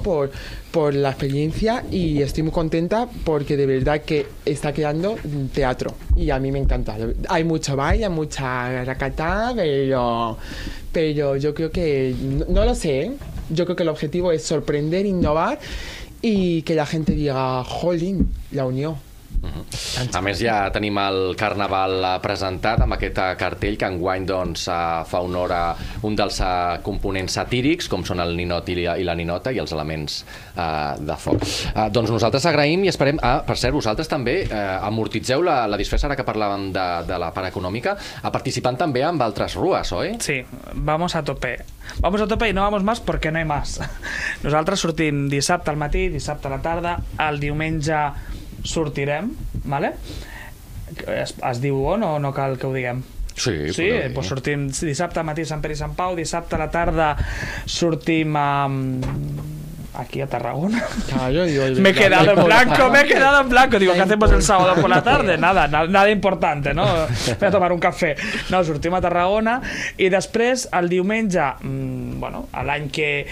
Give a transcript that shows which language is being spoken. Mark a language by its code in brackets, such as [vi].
[es] Por la experiencia. Y estoy muy contenta porque de verdad que está quedando teatro. Y a mí me encanta. Hay mucho baile, mucha racata, pero... pero yo creo que, no lo sé, ¿eh? Yo creo que el objetivo es sorprender, innovar y que la gente diga, jolín, la unió. [ca] Uh-huh. A més, ja tenim el Carnaval presentat amb aquest cartell que enguany doncs, fa honor a un dels components satírics, com són el ninot i la ninota i els elements de foc. Doncs nosaltres agraïm i esperem... per cert, vosaltres també amortitzeu la disfressa, ara que parlàvem de la part econòmica, a participant també amb altres rues, oi? [es] Sí, vamos a tope. Vamos a tope y no vamos más porque no hay más. [ca] Nosaltres sortim dissabte al matí, dissabte a la tarda, el diumenge... sortirem, vale? Es diu on o no cal que ho diguem? Sí, sí, doncs sortim dissabte al matí a Sant Pere i Sant Pau, dissabte a la tarda sortim a... aquí a Tarragona. [es] Claro, me he quedado en blanco, me he quedado en blanco. Digo, ¿qué hacemos el sábado por la tarde? Nada, nada importante, ¿no? Voy a tomar un café. [ca] No, sortim a Tarragona i després, el diumenge, bueno, l'any que...